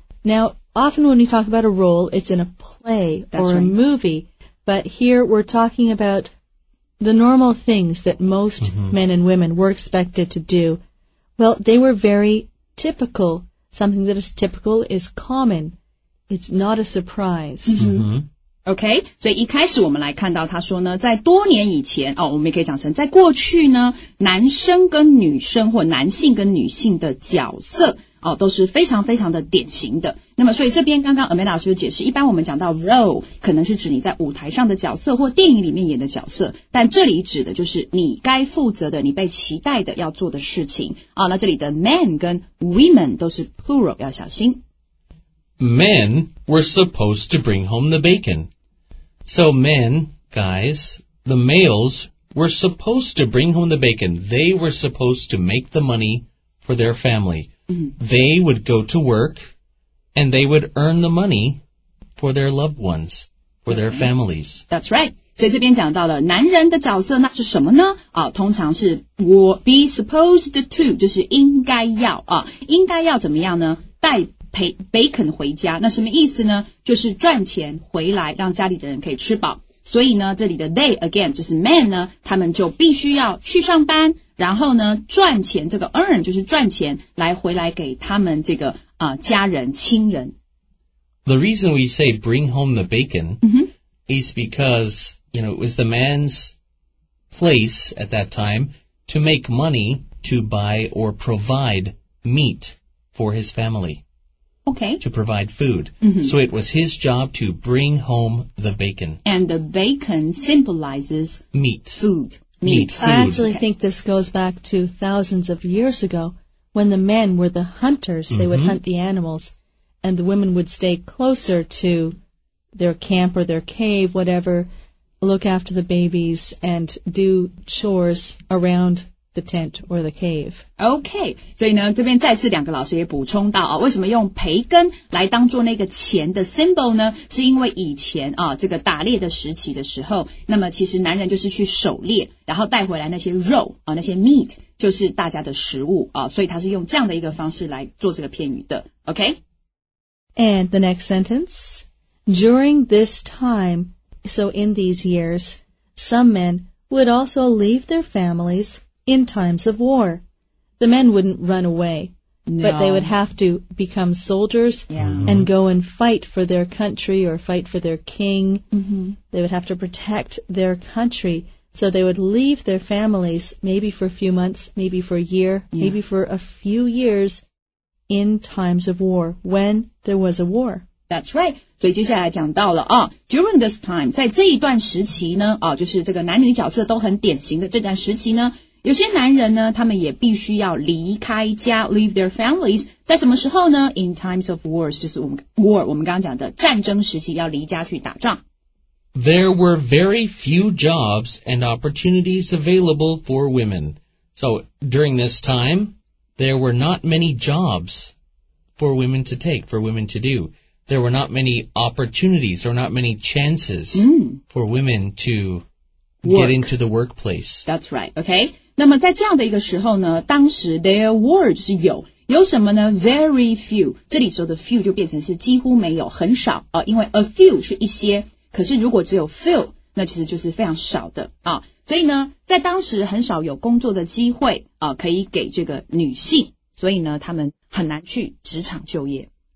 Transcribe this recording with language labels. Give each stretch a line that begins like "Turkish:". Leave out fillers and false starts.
English: Now, often when you talk about a role, it's in a play a movie. But here we're talking about the normal things that most men and women were expected to do. Well, they were very typical. Something that is typical is common. It's not a surprise.
Chinese: Okay, 所以一开始我们来看到他说呢，在多年以前，哦，我们也可以讲成在过去呢，男生跟女生或男性跟女性的角色，哦，都是非常非常的典型的。那么所以这边刚刚 Amanda 老师有解释，一般我们讲到 role 可能是指你在舞台上的角色或电影里面演的角色，但这里指的就是你该负责的，你被期待的要做的事情。哦，那这里的 men 跟 women 都是 plural， 要小心。
English: Men were supposed to bring home the bacon. So men, guys, the males were supposed to bring home the bacon. They were supposed to make the money for their family. They would go to work and they would earn the money for their loved ones, for their families. That's right.
Chinese: 所以这边讲到了男人的角色那是什么呢、啊、通常是 be supposed to, 就是应该要、啊、应该要怎么样呢带bacon 回家，那什么意思呢？就是赚钱回来，让家里的人可以吃饱。所以呢，这里的 they again 就是 men 呢，他们就必须要去上班，然后呢赚钱，这个 earn 就是赚钱来回来给他们这个、家人亲人。
English: The reason we say bring home the bacon is because you know it was the man's place at that time to make money to buy or provide meat for his family. Okay. To provide food. So it was his job to bring home the bacon. And the bacon symbolizes meat. Food. Meat. I actually think this goes back to thousands of years ago when the men were the hunters. They would hunt the animals and the women would stay closer to their camp or their cave, whatever, look after the babies and do chores around the tent or the cave.
Chinese: Okay, 所以呢，这边再次两个老师也补充到啊，为什么用培根来当做那个钱的 symbol 呢？是因为以前啊，这个打猎的时期的时候，那么其实男人就是去狩猎，然后带回来那些肉啊，那些 meat 就是大家的食物啊，所以他是用这样的一个方式来做这个片语的。
English: Okay, and the next sentence: During this time, so in these years, some men would also leave their families. In times of war, the men wouldn't run away, but they would have to become soldiers and go and fight for their country or fight for their king. They would have to protect their country. So they would leave their families maybe for a few months, maybe for a year, maybe for a few years in times of war, when there was a war. That's right.
Chinese: 所以接下来讲到了啊 , during this time, 在这一段时期呢啊就是这个男女角色都很典型的这段时期呢有些男人呢他们也必须要离开家 , leave their families, 在什么时候呢 ? in times of wars, 就是我们 war, 我们刚刚讲的战争时期要离家去打仗。
English: There were very few jobs and opportunities available for women. So, during this time, there were not many jobs for women to take, for women to do. There were not many opportunities or not many chances for women to get into the workplace. That's right, okay?
Chinese: 那么在这样的一个时候呢当时 there were 就是有什么呢 very few, 这里说的 few 就变成是几乎没有很少、啊、因为 a few 是一些可是如果只有 few, 那其实就是非常少的、啊、所以呢在当时很少有工作的机会、啊、可以给这个女性所以呢他们很难去职场就业。